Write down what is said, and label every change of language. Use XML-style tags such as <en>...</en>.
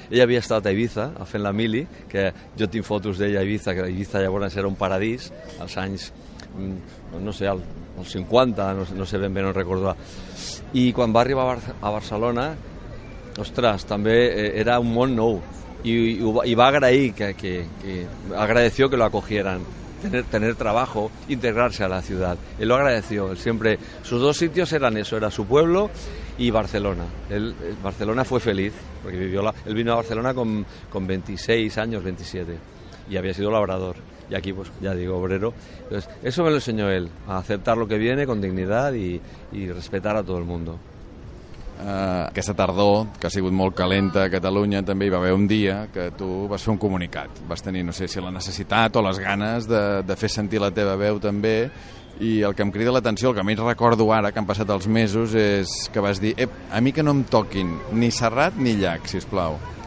<ca>Ell havia estat a Ibiza, fent la mili, que jo tinc fotos d'ell a Ibiza, que Ibiza llavors era un paradís, als anys, no sé, als 50, no sé ben bé, no recordo. I quan va arribar a Barcelona, ostres, també era un món nou.</ca> <es>Y va a agradecer que agradeció que lo acogieran, tener trabajo, integrarse a la ciudad. Él lo agradeció, él siempre, sus dos sitios eran eso, era su pueblo y Barcelona. Él Barcelona fue feliz porque vivió él vino a Barcelona con 26 años, 27, y había sido labrador y aquí pues ya digo obrero. Entonces, eso me lo enseñó él, a aceptar lo que viene con dignidad y respetar a todo el mundo.</es> <ca>Aquesta tardor, que ha sigut molt calenta a Catalunya, també hi va haver un dia que tu vas fer un comunicat. Vas tenir, no sé si la necessitat o les ganes de fer sentir la teva veu també, i el que em crida l'atenció, el que més recordo ara, que han passat els mesos, és que vas dir, a mi que no em toquin ni Serrat ni Llach, sisplau.</ca>